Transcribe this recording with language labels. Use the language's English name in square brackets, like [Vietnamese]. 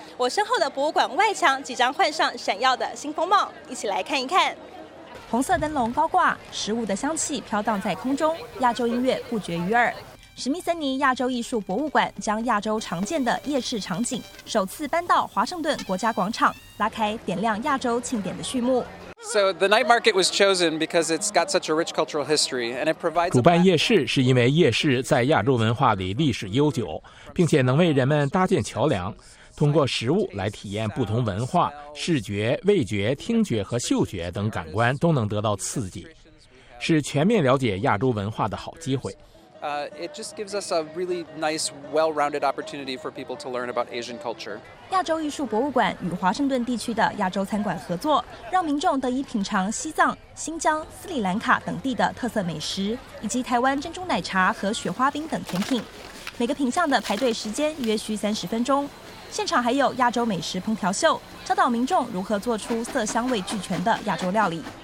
[Chinese] 我身后的博物馆外墙即将换上闪耀的新风貌，一起来看一看。红色灯笼高挂，食物的香气飘荡在空中，亚洲音乐不绝于耳。史密森尼亚洲艺术博物馆将亚洲常见的夜市场景首次搬到华盛顿国家广场，拉开点亮亚洲庆典的序幕。 [English] So the night market was chosen because it's got such a rich cultural history, and it provides. [Chinese] 主办夜市是因为夜市在亚洲文化里历史悠久，并且能为人们搭建桥梁，通过食物来体验不同文化，视觉、味觉、听觉和嗅觉等感官都能得到刺激，是全面了解亚洲文化的好机会。 [English] It just gives us a really nice, well-rounded opportunity for people to learn about Asian culture. [Chinese] 亚洲艺术博物馆与华盛顿地区的亚洲餐馆合作，让民众得以品尝西藏、新疆、斯里兰卡等地的特色美食，以及台湾珍珠奶茶和雪花冰等甜品。每个品项的排队时间约需30分钟。现场还有亚洲美食烹调秀，教导民众如何做出色香味俱全的亚洲料理。